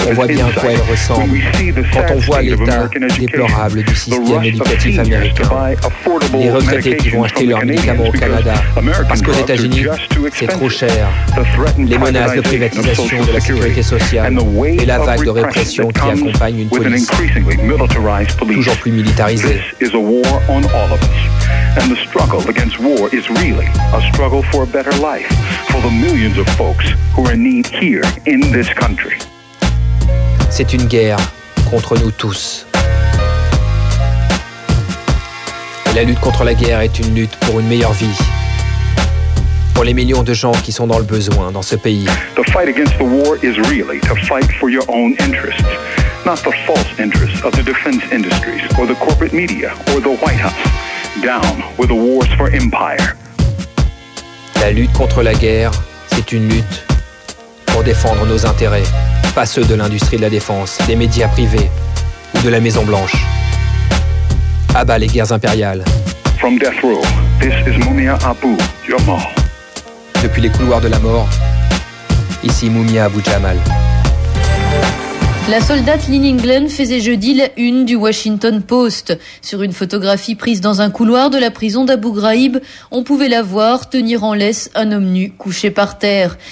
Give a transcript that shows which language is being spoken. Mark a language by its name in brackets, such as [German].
[French] On voit bien à quoi elles ressemblent quand on voit l'état déplorable du système éducatif américain. Les retraités qui vont acheter leurs médicaments au Canada parce qu'aux États-Unis, c'est trop cher. Les menaces de privatisation de la sécurité sociale et la vague de répression qui accompagne une police toujours plus militarisée. [English] And the struggle against war is really a struggle for a better life for the millions of folks who are in need here in this country. [French] C'est une guerre contre nous tous. Et la lutte contre la guerre est une lutte pour une meilleure vie. pour les millions de gens qui sont dans le besoin dans ce pays. [English] The fight against the war is really to fight for your own interests, not the false interests of the defense industries or the corporate media or the White House. Down with the wars for empire. [French] La lutte contre la guerre, c'est une lutte pour défendre nos intérêts, pas ceux de l'industrie de la défense, des médias privés ou de la Maison Blanche. À bas les guerres impériales. [English] From death row, this is Mumia Abu Jamal. [French] Depuis les couloirs de la mort, ici Mumia Abu Jamal. La soldate Lynn England faisait jeudi la une du Washington Post. Sur une photographie prise dans un couloir de la prison d'Abu Ghraib, on pouvait la voir tenir en laisse un homme nu couché par terre.